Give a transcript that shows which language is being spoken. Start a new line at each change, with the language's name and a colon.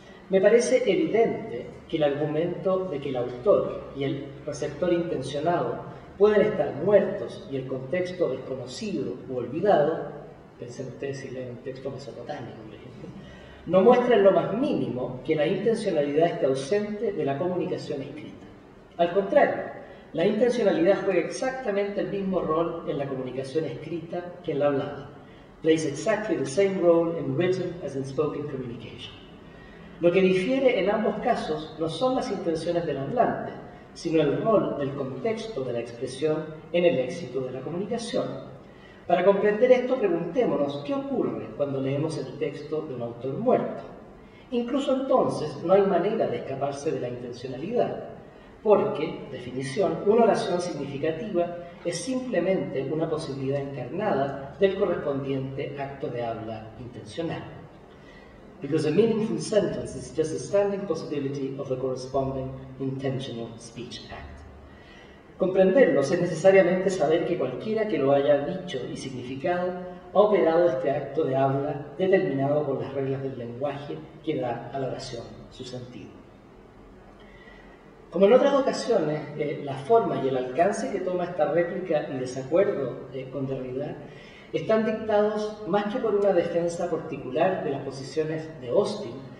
Spanish: Me parece evidente que el argumento de que el autor y el receptor intencionado pueden estar muertos y el contexto desconocido u olvidado, pensen ustedes si leen un texto mesopotámico, no muestra en lo más mínimo que la intencionalidad esté ausente de la comunicación escrita. Al contrario, la intencionalidad juega exactamente el mismo rol en la comunicación escrita que en la hablada.
English: Plays exactly the same role in written as in spoken communication.
Spanish: Lo que difiere en ambos casos no son las intenciones del hablante, sino el rol del contexto de la expresión en el éxito de la comunicación. Para comprender esto, preguntémonos qué ocurre cuando leemos el texto de un autor muerto. Incluso entonces, no hay manera de escaparse de la intencionalidad, porque, definición, una oración significativa es simplemente una posibilidad encarnada del correspondiente acto de habla intencional.
English: Because a meaningful sentence is just a standing possibility of a corresponding intentional speech act.
Spanish: Comprenderlo es necesariamente saber que cualquiera que lo haya dicho y significado ha operado este acto de habla determinado por las reglas del lenguaje que da a la oración su sentido. Como en otras ocasiones, la forma y el alcance que toma esta réplica y desacuerdo con Derrida están dictados más que por una defensa particular de las posiciones de Austin,